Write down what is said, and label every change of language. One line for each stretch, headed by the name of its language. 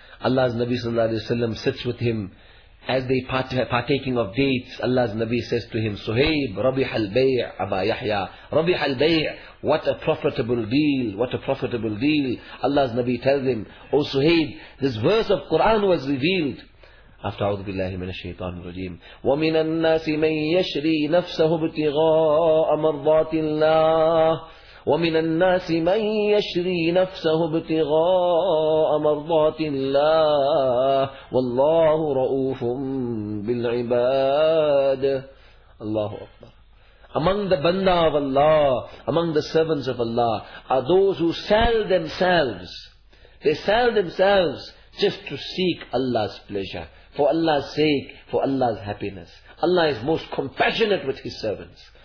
English: Allah's Nabi sallallahu alaihi wasallam sits with him. As they partaking of dates, Allah's Nabi says to him, Suhaib,
Arabic: Rabih al-Bay' Aba Yahya, Rabih al-Bay',
English: what a profitable deal, what a profitable deal. Allah's Nabi tells him, O Suhaib, this verse of Quran was revealed. After
Arabic: أعوذ بالله من الشيطان الرجيم ومن الناس من يشري نفسه ابتغاء مرضات الله ومن الناس من يشري نفسه ابتغاء مرضات الله والله رؤوف بالعباد. الله أكبر.
English: Among the banda of Allah, among the servants of Allah, are those who sell themselves. They sell themselves just to seek Allah's pleasure. for Allah's sake, for Allah's happiness. Allah is most compassionate with His servants.